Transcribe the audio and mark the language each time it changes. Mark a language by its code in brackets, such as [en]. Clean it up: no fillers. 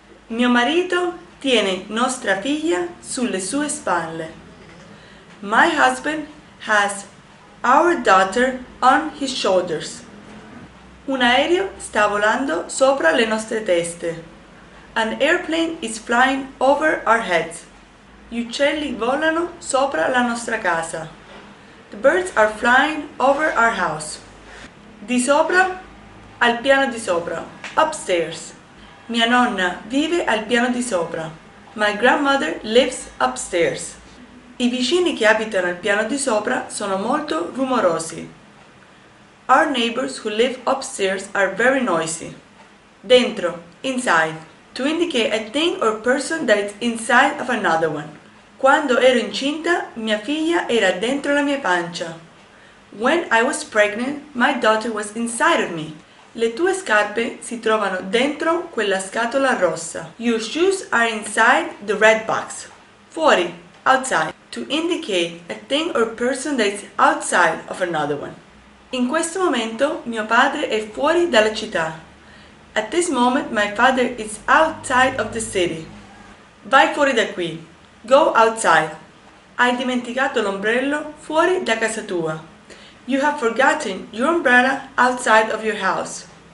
[it] Mio marito tiene nostra figlia sulle sue spalle. [en] My husband has our daughter on his shoulders. [it] Un aereo sta volando sopra le nostre teste. [en] An airplane is flying over our heads. [it] Gli uccelli volano sopra la nostra casa. [en] The birds are flying over our house. Di sopra, al piano di sopra, upstairs. [it] Mia nonna vive al piano di sopra. [en] My grandmother lives upstairs. [it] I vicini che abitano al piano di sopra sono molto rumorosi. [en] Our neighbors who live upstairs are very noisy. Dentro, inside, to indicate a thing or person that is inside of another one. [it] Quando ero incinta, mia figlia era dentro la mia pancia. [en] When I was pregnant, my daughter was inside of me. [it] Le tue scarpe si trovano dentro quella scatola rossa. [en] Your shoes are inside the red box. [it] Fuori, outside. [en] to indicate a thing or person that is outside of another one. [it] In questo momento, mio padre è fuori dalla città. [en] At this moment, my father is outside of the city. [it] Vai fuori da qui. [en] Go outside. [it] Hai dimenticato l'ombrello fuori da casa tua. [en] You have forgotten your umbrella outside of your house.